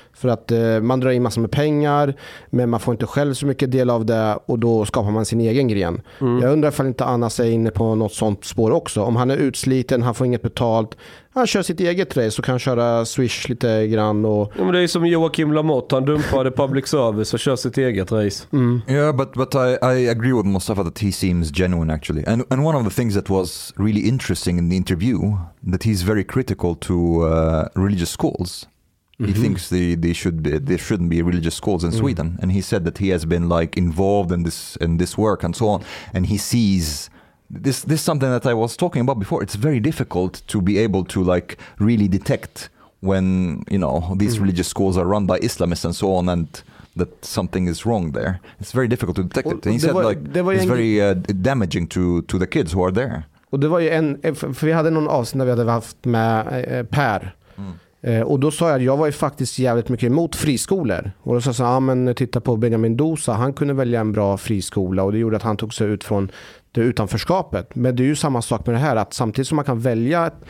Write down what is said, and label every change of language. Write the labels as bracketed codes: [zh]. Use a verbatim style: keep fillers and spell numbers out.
[sv] För att eh, man drar in massor med pengar, men man får inte själv så mycket del av det, och då skapar man sin egen gren. Mm. Jag undrar om inte Anas är inne på något sånt spår också. Om han är utsliten, han får inget betalt, han kör sitt eget race och kan köra Swish lite grann. Och... Ja, men det är som Joakim Lamotte, han dumpade public service och kör sitt eget race. Mm. [en] Yeah, but, but I, I agree with Mustafa that he seems genuine actually. And, and one of the things that was really interesting in the interview, that he's very critical to uh, religious schools. He mm-hmm. thinks they, they should be, there shouldn't be religious schools in mm. Sweden, and he said that he has been like involved in this in this work and so on, and he sees this this is something that I was talking about before. It's very difficult to be able to like really detect when, you know, these mm. religious schools are run by Islamists and so on, and that something is wrong there. It's very difficult to detect well, it. And he said var, like it's en... very uh, damaging to to the kids who are there. [sv] Och det var ju en, för vi hade någon avsnitt när vi hade haft med eh, Per. Mm. Och då sa jag att jag var ju faktiskt jävligt mycket emot friskolor. Och då sa jag så här, ja, men titta på Benjamin Dosa, han kunde välja en bra friskola och det gjorde att han tog sig ut från det utanförskapet. Men det är ju samma sak med det här, att samtidigt som man kan välja...